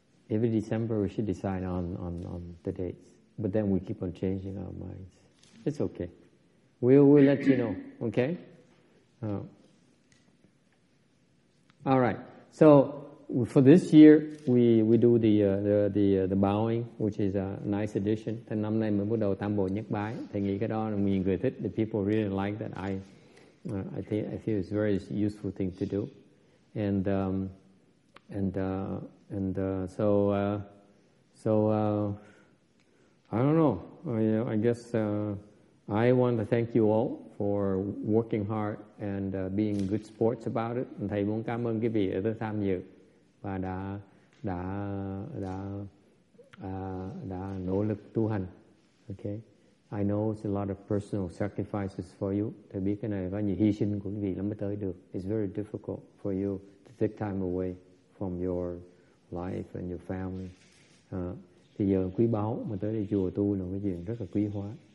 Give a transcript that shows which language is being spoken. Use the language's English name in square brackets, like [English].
[English] Every December we should decide on the dates. But then we keep on changing our minds. It's okay. We'll let you know, okay? All right. So for this year, we do the bowing, which is a nice addition. [Vietnamese] Thì năm nay mình bắt đầu Tam Bộ Nhất Bái. Thầy nghĩ cái đó là mình người thích. [English] The people really like that. I think it's a very useful thing to do. And so I don't know. I want to thank you all for working hard and being good sports about it. [Vietnamese] Thầy muốn cảm ơn quý vị đã tham dự và đã đã nỗ lực tu hành. [English] Okay. I know it's a lot of personal sacrifices for you. [Vietnamese] Tôi biết cái này bao nhiêu hy sinh của quý vị lắm mới tới được. [English] It's very difficult for you to take time away from your life and your family. [Vietnamese] Thì giờ quý báu mà tới đây chùa tu là cái chuyện rất là quý hóa.